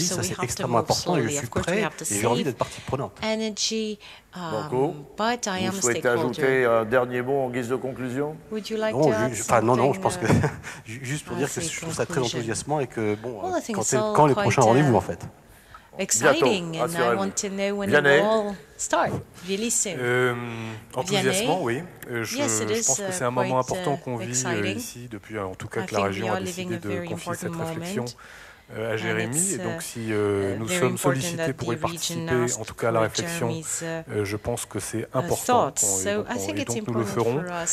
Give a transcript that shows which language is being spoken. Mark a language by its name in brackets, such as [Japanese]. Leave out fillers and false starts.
[French] Ça, c'est extrêmement important. Et je suis prêt et j'ai envie d'être partie prenante. Banco, vous souhaitez ajouter un dernier mot en guise de conclusion? Je pense que juste pour dire que je trouve ça très enthousiasmant et que bon, quand les prochains rendez-vous en fait. [English] Exciting, and I want to know when it will all start. Really soon. [French] Enthousiasmant, oui. Je pense que c'est un moment important qu'on vit ici depuis, en tout cas que la région a décidé de confier cette réflexion à Jérémy, et donc si nous sommes sollicités pour y participer, en tout cas à la réflexion, je pense que c'est important, donc nous le ferons.